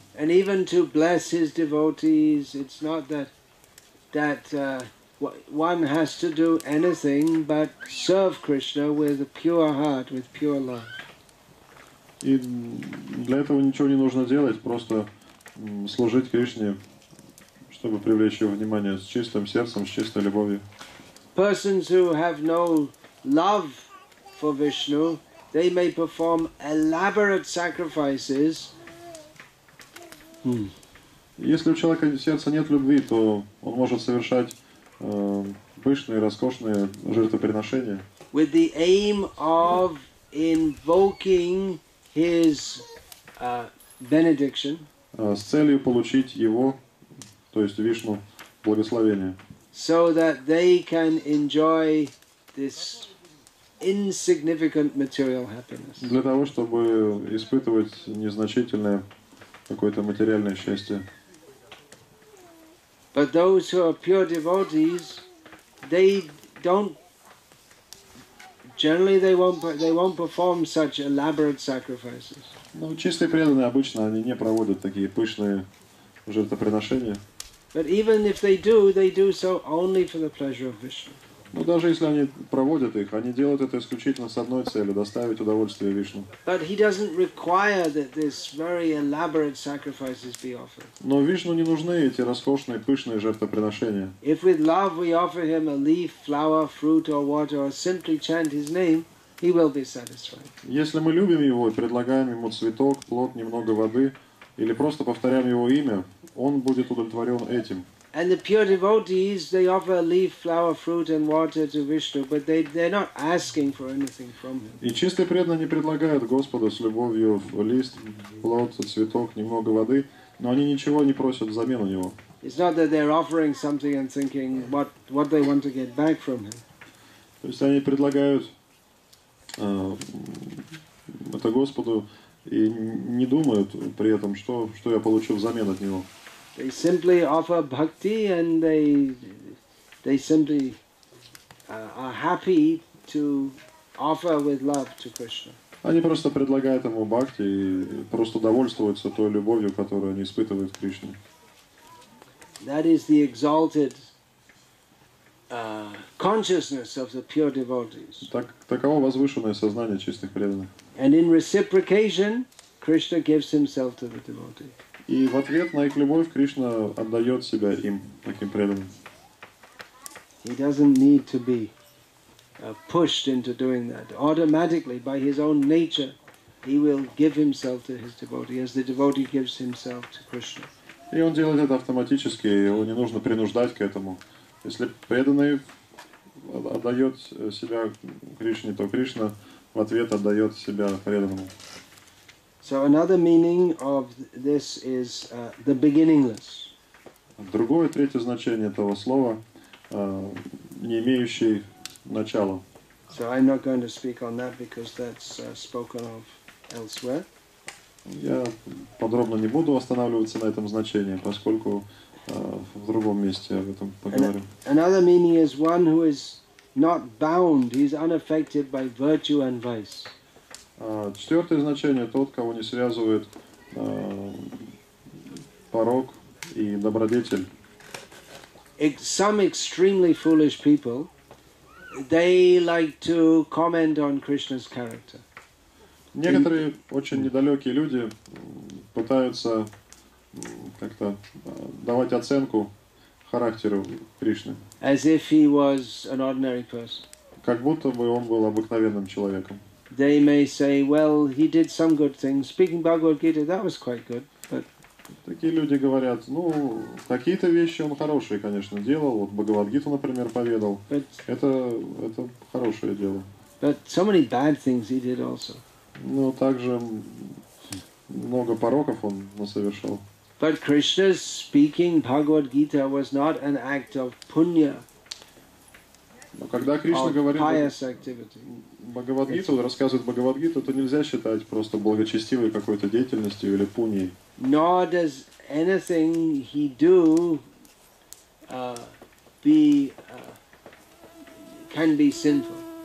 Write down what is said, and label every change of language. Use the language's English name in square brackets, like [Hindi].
[English] And even to bless his devotees, it's not that one has to do anything but serve Krishna with a pure heart, with pure love. [Russian] И для этого ничего не нужно делать, просто служить Кришне, чтобы привлечь его внимание с чистым сердцем, с чистой любовью. [English] Persons who have no love for Vishnu, they may perform elaborate sacrifices. [Russian] Если у человека сердца нет любви, то он может совершать пышные, роскошные жертвоприношения. [English] With the aim of invoking his benediction. [Russian] С целью получить его, то есть Вишну, благословение. [English] So that they can enjoy this insignificant material happiness. [Russian] Для того, чтобы испытывать незначительное какое-то материальное счастье. [English] But those who are pure devotees, they don't. Generally, they won't perform such elaborate sacrifices. [Russian] Ну, чистые преданные обычно они не проводят такие пышные жертвоприношения. [English] But even if they do so only for the pleasure of Vishnu. [Russian] Ну, даже если они проводят их, они делают это исключительно с одной целью — доставить удовольствие Вишну. [English] But he doesn't require that this very elaborate sacrifices be offered. [Russian] Но Вишну не нужны эти роскошные пышные жертвоприношения. [English] If with love we offer him a leaf, flower, fruit or water, or simply chant his name, he will be satisfied. [Russian] Если мы любим его и предлагаем ему цветок, плод, немного воды или просто повторяем его имя, он будет удовлетворен этим. [English] And the pure devotees, they offer leaf, flower, fruit and water to Vishnu, but they're not asking for anything from him. [Russian] И чистые преданные не предлагают Господу с любовью лист, плод, цветок, немного воды, но они ничего не просят взамен у него. [English] It's not that they're offering something and thinking what they want to get back from him. [Russian] То есть они предлагают это Господу и не думают при этом, что я получу взамен от него. [English] They simply offer bhakti and they simply are happy to offer with love to Krishna. [Russian] Они просто предлагают ему бхакти и просто довольствуются той любовью, которую они испытывают к Кришне. [English] That is the exalted consciousness of the pure devotees. [Russian] Таково возвышенное сознание чистых преданных. [English] And in reciprocation, Krishna gives himself to the devotee. [Russian] И в ответ на их любовь Кришна отдает себя им, таким преданным. [English] He doesn't need to be pushed into doing that. Automatically, by his own nature, he will give himself to his devotee, as the devotee gives himself to Krishna. [Russian] И он делает это автоматически, его не нужно принуждать к этому. Если преданный отдает себя Кришне, то Кришна в ответ отдает себя преданному. [English] So another meaning of this is the beginningless. [Russian] Другое, третье значение этого слова не имеющий начала. [English] So I'm not going to speak on that because that's spoken of elsewhere. [Russian] Я подробно не буду останавливаться на этом значении, поскольку в другом месте об этом поговорим. [English] Another meaning is one who is not bound, he's unaffected by virtue and vice. [Russian] Четвертое значение – тот, кого не связывает порок и добродетель. [English] Some extremely foolish people, they like to comment on Krishna's character. [Russian] Некоторые очень недалекие люди пытаются как-то давать оценку характеру Кришны. [English] As if he was an ordinary person. [Russian] Как будто бы он был обыкновенным человеком. [English] They may say, well, he did some good things. Speaking Bhagavad Gita, that was quite good. But... [Russian] Такие люди говорят, ну, какие-то вещи он хорошие, конечно, делал. Вот Бхагавад-гиту, например, поведал. [English] But... [Russian] Это хорошее дело. [English] But so many bad things he did also. [Russian] Но также много пороков он насовершал. [English] But Krishna's speaking Bhagavad Gita was not an act of punya. [Russian] Но когда Кришна говорит [English] pious activity. [Russian] Бхагавад Гиту, рассказывает Бхагавад Гиту, то нельзя считать просто благочестивой какой-то деятельностью или пуньей. [English] Nor does anything he do can be sinful.